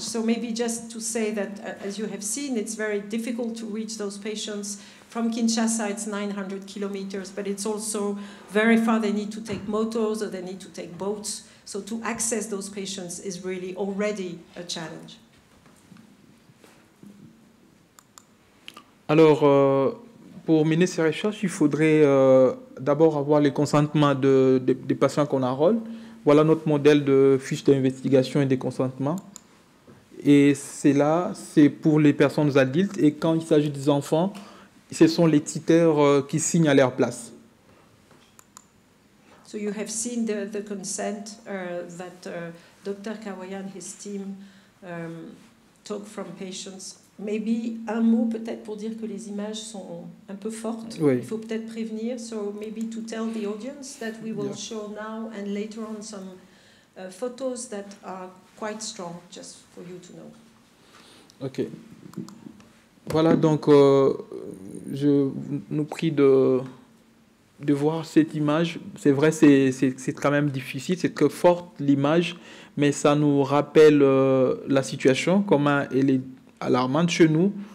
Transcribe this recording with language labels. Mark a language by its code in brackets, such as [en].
[en] So maybe just to say that, as you have seen, it's very difficult to reach those patients. From Kinshasa, it's 900 kilometers, but it's also very far. They need to take motors or they need to take boats. So to access those patients is really already a challenge. [fr] Alors, pour mener ces recherches, il faudrait d'abord avoir les consentements de patients qu'on enrôle. Voilà notre modèle de fiche d'investigation et de consentement. Et c'est pour les personnes adultes. Et quand il s'agit des enfants, ce sont les titeurs qui signent à leur place. [en] So you have seen the consent that Dr. Kawaya and his team took from patients. Maybe [fr] un mot peut-être pour dire que les images sont un peu fortes. Oui. Il faut peut-être prévenir. [en] So maybe to tell the audience that we will show now and later on some photos that are quite strong, just for you to know. OK. [fr] Voilà, donc je nous prie de voir cette image. C'est vrai, c'est quand même difficile, c'est très forte l'image, mais ça nous rappelle la situation, comment elle est alarmante chez nous.